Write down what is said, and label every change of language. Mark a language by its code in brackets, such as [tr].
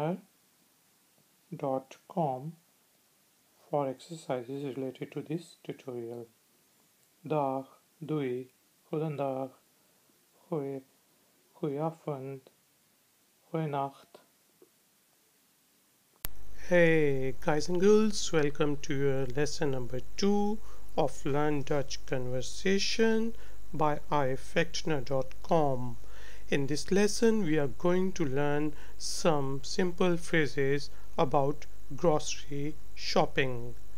[en] ifactner.com for exercises related to this tutorial. [nl] Dag, doei, goedendag, goeieavond, goeienacht. [en] Hey guys and girls, welcome to your lesson number 2 of Learn Dutch Conversation by ifactner.com. In this lesson, we are going to learn some simple phrases about grocery shopping.